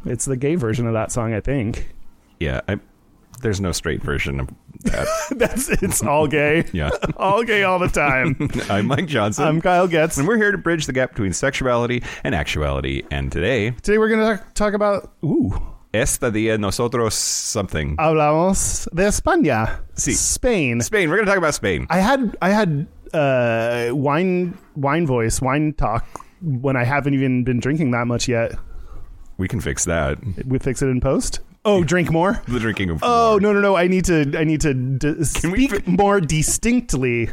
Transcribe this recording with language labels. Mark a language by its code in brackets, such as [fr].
[en] It's the gay version of that song, I think. Yeah, there's no straight version of that. It's all gay. Yeah. All gay all the time. I'm Mike Johnson. I'm Kyle Getz. And we're here to bridge the gap between sexuality and actuality. And today... Today we're going to talk about... Ooh. [es] Esta día nosotros [en] something. [es] Hablamos de España. Sí. [en] Spain. Spain. We're going to talk about Spain. I had... wine talk when I haven't even been drinking that much yet. We can fix that. We fix it in post. Oh, drink more. The drinking of. Oh, more. No. I need to can speak more distinctly.